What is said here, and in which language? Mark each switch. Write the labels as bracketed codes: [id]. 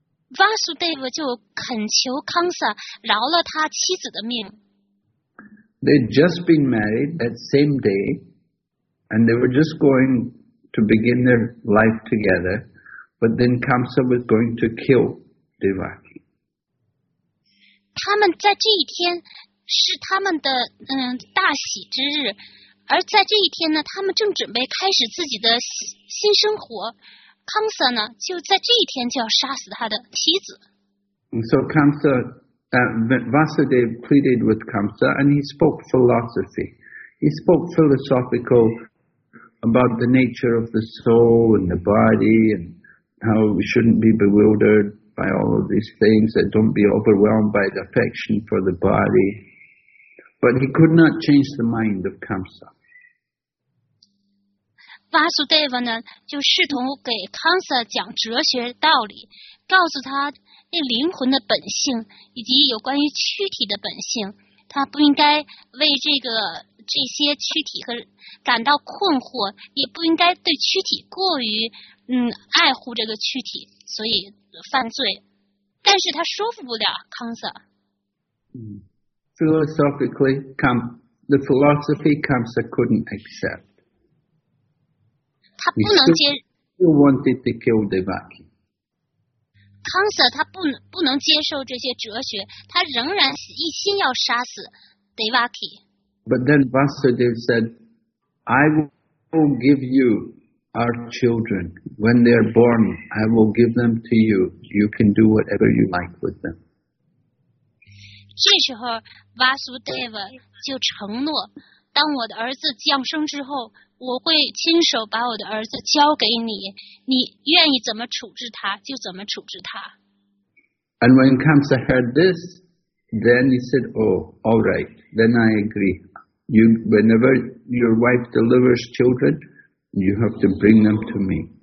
[zh] Vasudev 就恳求 Kamsa 饶了他妻子的命。 [en] They'd just been married that same day, and they were just going to begin their life together, but then Kamsa was going to kill Devaki. [zh] 他们在这一天是他们的大喜之日，而在这一天呢，他们正准备开始自己的新生活。 Kamsa 呢，就在这一天就要杀死他的妻子。 [en] And so Kamsa, Vasudev pleaded with Kamsa, and he spoke philosophy. He spoke philosophical about the nature of the soul and the body, and how we shouldn't be bewildered by all of these things, that don't be overwhelmed by the affection for the body. But he could not change the mind of Kamsa. [zh] Vasudeva 呢，就试图给 Kamsa 讲哲学道理，告诉他那灵魂的本性以及有关于躯体的本性，他不应该为这些躯体和感到困惑，也不应该对躯体过于爱护这个躯体，所以犯罪。但是他说服不了Kamsa。 [en] Philosophically, the philosophy Kamsa couldn't accept. [zh] 他不能接。 [en] He still wanted to kill Devaki. [zh] Kamsa 他不能接受这些哲学，他仍然一心要杀死 Devaki。 [en] But then Vasudev said, I will give you our children. When they are born, I will give them to you. You can do whatever you like with them. [zh] 这时候 Vasudeva 就承诺，当我的儿子降生之后，我会亲手把我的儿子交给你，你愿意怎么处置他就怎么处置他。 [en] And when Kamsa heard this, then he said, oh, all right, then I agree. You, whenever your wife delivers children, you have to bring them to me.